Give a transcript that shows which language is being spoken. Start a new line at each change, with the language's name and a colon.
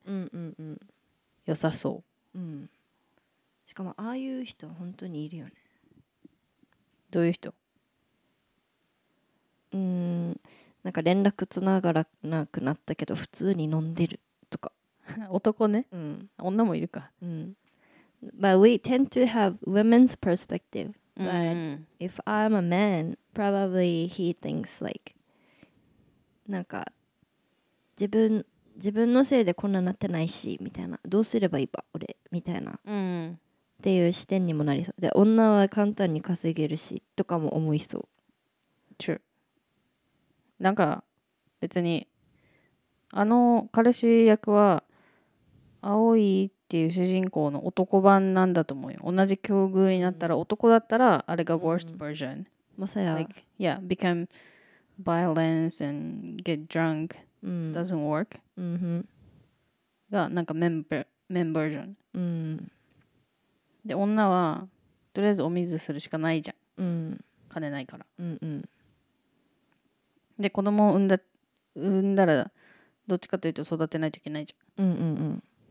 Japanese: うんうんうん、良さそう、うん、しかもああいう人本当にいるよねどういう人なんか連絡つながらなくなったけど普通に飲んでるとか男ね、うん、女もいるか、
English: うん、But we tend to have women's perspective But、
Japanese: うん、
English: if I'm a man probably he thinks like
Japanese: なんか自分のせいでこんななってないしみたいなどうすればいいば俺みたいな、うん、っていう視点にもなりそうで女は簡単に稼げるしとかも思いそう True なんか別にあの彼氏役は青いっていう主人公の男版なんだと思うよ同じ境遇になったら男だったらあれが
English: worst version、
Japanese: うん、
English: Masaya. Like, yeah, become violence and get drunk doesn't work.
Japanese: が、なんかメンバージョン。で、女はとりあえずお水するしかないじゃん。金ないから。で、子供を産んだらどっちかというと育てないといけないじゃん。